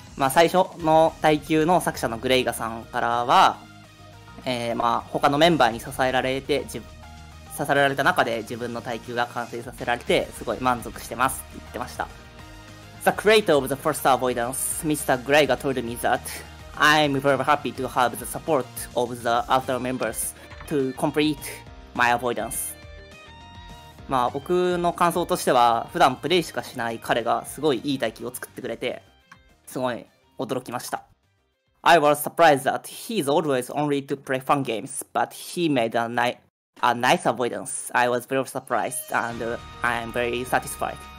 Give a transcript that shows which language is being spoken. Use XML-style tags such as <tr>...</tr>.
<ja>最初の耐久の作者のグレイガさんからは、他のメンバーに支えられた中で自分の耐久が完成させられてすごい満足してますって言ってました。</ja> <en>The creator of the first avoidance, Mr. Gray, told me that I'm very happy to have the support of the other members to complete my avoidance.</en> <ja>僕の感想としては普段プレイしかしない彼がすごいいい耐久を作ってくれてすごい驚きました。</ja> <en>I was surprised that he's always only to play fun games, but he made a nice avoidance. I was very surprised and I'm very satisfied.</en>